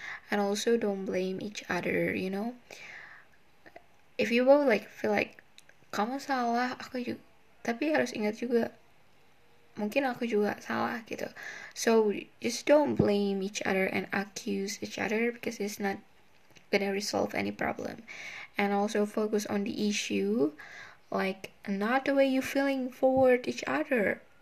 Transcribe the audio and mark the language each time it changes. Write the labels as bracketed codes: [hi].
[en] And also don't blame each other, you know. If you both like feel like [id] kamu salah, aku juga. Tapi harus ingat juga, mungkin aku juga salah gitu. [en] So just don't blame each other and accuse each other, because it's not gonna resolve any problem. And also focus on the issue, like not the way you feeling for each other.